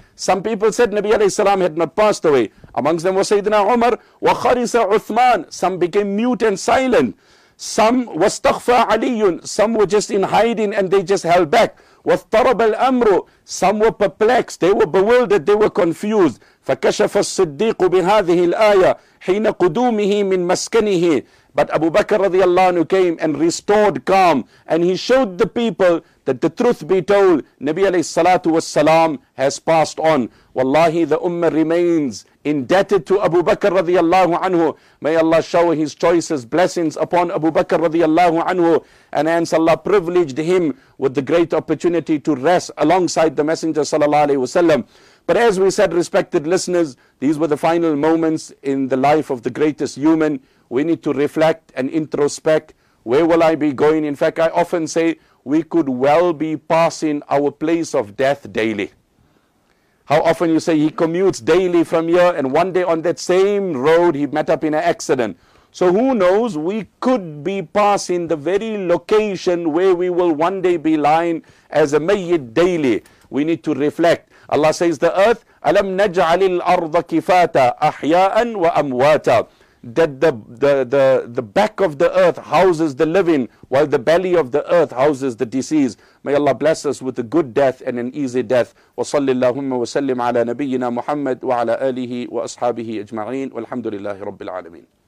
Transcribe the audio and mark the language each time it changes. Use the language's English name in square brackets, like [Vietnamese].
[English] Some people said Nabi alayhi salam had not passed away. Amongst them was Sayyidina Umar. [Arabic] وخرس عثمان. [English] Some became mute and silent. Some was [Arabic] تخفي عليٌ. [English] Some were just in hiding and they just held back. [Arabic] واضطرب الأمر. [English] Some were perplexed. They were bewildered. They were confused. [Arabic] فكشف الصديق بهذه الآية حين قدومه من مسكنه. [English] But Abu Bakr radiallahu anhu came and restored calm, and he showed the people that the truth be told, Nabi alayhi salatu wasalam has passed on. Wallahi, the ummah remains indebted to Abu Bakr radiallahu anhu. May Allah shower his choices, blessings upon Abu Bakr radiallahu anhu, and hence Allah privileged him with the great opportunity to rest alongside the Messenger sallallahu alayhi wasallam. But as we said, respected listeners, these were the final moments in the life of the greatest human. We need to reflect and introspect. Where will I be going? In fact, I often say we could well be passing our place of death daily. How often you say he commutes daily from here, and one day on that same road he met up in an accident. So who knows, we could be passing the very location where we will one day be lying as a mayyit daily. We need to reflect. Allah says the earth, [Arabic] أَلَمْ نَجْعَلِ الْأَرْضَ كِفَاتَ أَحْيَاءً وَأَمْوَاتَ. [English] That the back of the earth houses the living, while the belly of the earth houses the deceased. May Allah bless us with a good death and an easy death. [Arabic] وصلى اللهم وسلم على نبينا محمد وعلى آله وأصحابه أجمعين والحمد لله رب العالمين.